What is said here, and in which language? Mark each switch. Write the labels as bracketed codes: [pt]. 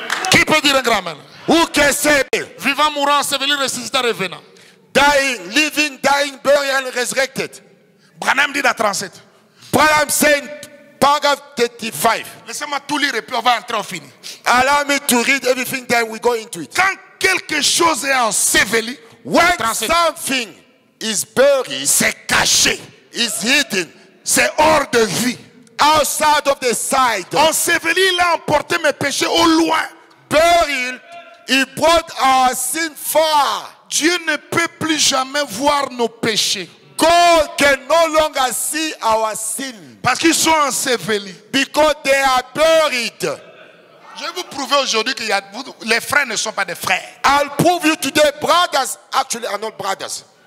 [fr] Qui peut dire un grand amen? [en] Who can say? [fr] Vivant, mourant, enseveli, ressuscitant, revenant. [en] Dying, living, dying, buried, and resurrected. [fr] Branham dit dans 37. [en] Branham saying, paragraph 35. [fr] Laissez-moi tout lire et puis on va entrer au fini. [en] Allow me to read everything, then we go into it. [fr] Quand quelque chose est enseveli, [en] when 37. Something is buried, [fr] c'est caché, [en] is hidden, [fr] c'est hors de vue, [en] outside of the sight. [fr] Enseveli, il a emporté mes péchés au loin. [en] Buried, he brought our sin far. [fr] Dieu ne peut plus jamais voir nos péchés. [en] God can no longer see our sin. [fr] Parce qu'ils sont ensevelis. [en] Because they are buried. [fr] Je vais vous prouver aujourd'hui que les frères ne sont pas des frères. [en] I'll prove you today, brothers actually are not brothers.